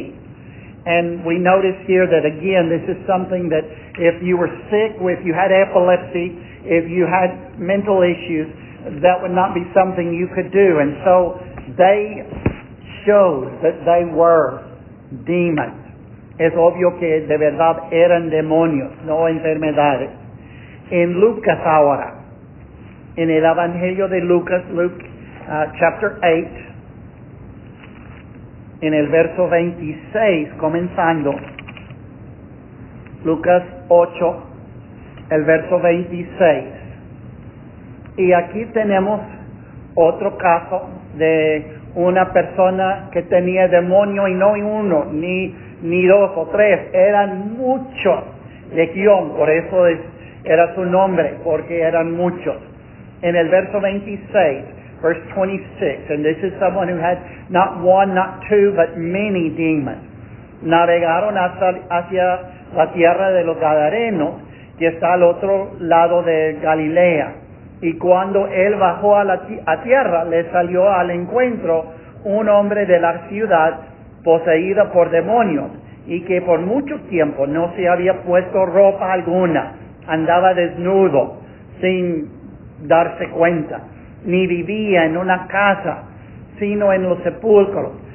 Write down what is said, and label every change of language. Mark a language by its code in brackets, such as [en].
[en] And we notice here that again, this is something that if you were sick, if you had epilepsy, if you had mental issues, that would not be something you could do. And so they showed that they were demons. [es] Es obvio que de verdad eran demonios, no enfermedades. En Lucas ahora, en el Evangelio de Lucas, [en] Luke chapter 8, [es] en el verso 26, comenzando, Lucas 8, el verso 26. Y aquí tenemos otro caso de una persona que tenía demonio, y no uno, ni dos o tres, eran muchos, legión, por eso era su nombre, porque eran muchos. En el verso 26, [en] verse 26, and this is someone who had not one, not two, but many demons. [es] Navegaron hacia la tierra de los Gadarenos, que está al otro lado de Galilea. Y cuando él bajó a tierra, le salió al encuentro un hombre de la ciudad poseído por demonios, y que por mucho tiempo no se había puesto ropa alguna, andaba desnudo, sin darse cuenta, ni vivía en una casa, sino en los sepulcros.